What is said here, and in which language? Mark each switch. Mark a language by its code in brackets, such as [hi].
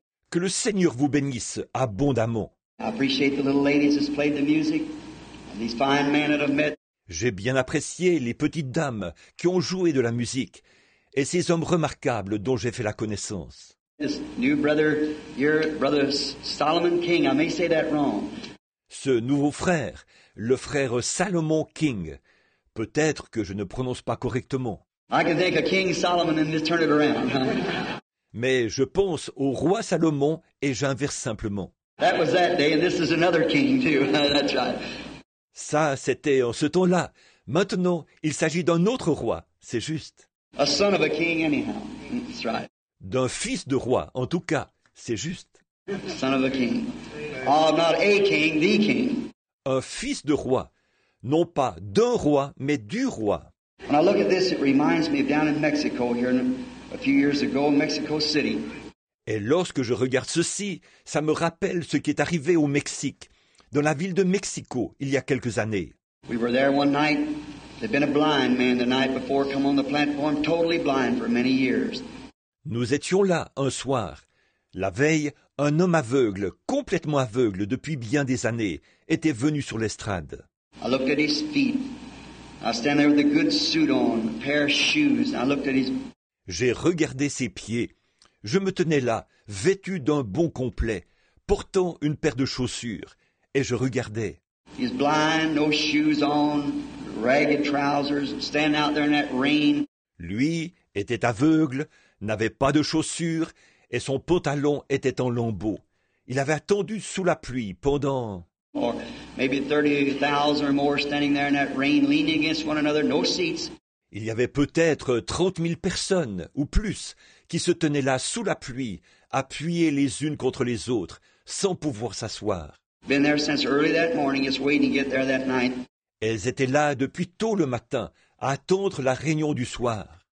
[fr] Que le Seigneur vous bénisse abondamment. [en] I appreciate the little ladies that's played the music, and these fine men that have met. [fr] J'ai bien apprécié les petites dames qui ont joué de la musique et ces hommes remarquables dont j'ai fait la connaissance. [en] This new brother, your brother Solomon King, I may say that wrong. [fr] Ce nouveau frère, le frère Salomon King, peut-être que je ne prononce pas correctement. [en] I can think of King Solomon and just turn it around. [fr] Mais je pense au roi Salomon et j'inverse simplement. [en] That was that day and this is another king too. That's right. [fr] Ça, c'était en ce temps-là. Maintenant, il s'agit d'un autre roi, c'est juste. [en] A son of a king anyhow. That's right. [fr] D'un fils de roi, en tout cas, c'est juste. [en] Son of a king. Oh, not a king, the king. [fr] Un fils de roi, non pas d'un roi, mais du roi. [en] When I look at this, it reminds me of down in Mexico, here a few years ago, Mexico City. [fr] Et lorsque je regarde ceci, ça me rappelle ce qui est arrivé au Mexique. Dans la ville de Mexico, il y a quelques années. [en] We were there one night, There'd been a blind man the night before come on the platform, totally blind for many years. [fr] Nous étions là un soir. La veille, un homme aveugle, complètement aveugle depuis bien des années, était venu sur l'estrade. [en] I looked at his feet. I stand there with a good suit on, a pair of shoes. I looked at his... [fr] J'ai regardé ses pieds. Je me tenais là, vêtu d'un bon complet, portant une paire de chaussures, et je regardais. [en] He's blind, no shoes on, ragged trousers, standing out there in that rain. [fr] Lui était aveugle, n'avait pas de chaussures, et son pantalon était en lambeaux. Il avait attendu sous la pluie pendant... [en] Or maybe 30,000 or more standing there in that rain, leaning against one another, no seats. [fr] Il y avait peut-être 30,000 personnes ou plus qui se tenaient là sous la pluie, appuyées les unes contre les autres, sans pouvoir s'asseoir. [en] Been there since early that morning, just waiting to get there that night. [fr] Elles étaient là depuis tôt le matin, à attendre la réunion du soir.